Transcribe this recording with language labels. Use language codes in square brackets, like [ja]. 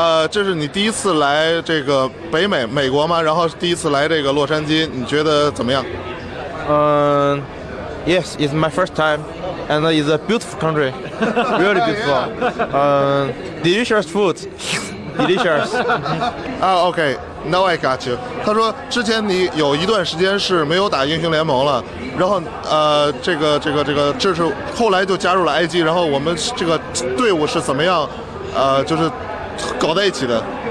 [zh] 这是你第一次来这个北美美国吗？然后第一次来这个洛杉矶，你觉得怎么样？ [en] Yes, it's my first time, and it's a beautiful country, really beautiful. Delicious food, delicious. Okay, now I got you. [zh] 他说之前你有一段时间是没有打英雄联盟了，然后这是后来就加入了 IG， 然后我们这个队伍是怎么样，就是搞在一起的。